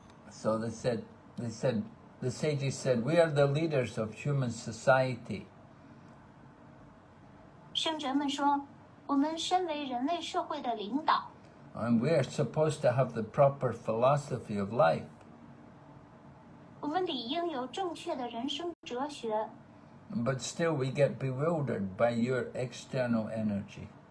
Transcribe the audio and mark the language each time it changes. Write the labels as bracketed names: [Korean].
[English] So the sages said, we are the leaders of human society. [Chinese] 圣哲们说,我们身为人类社会的领导。 [English] And we are supposed to have the proper philosophy of life. But still we get bewildered by your external energy.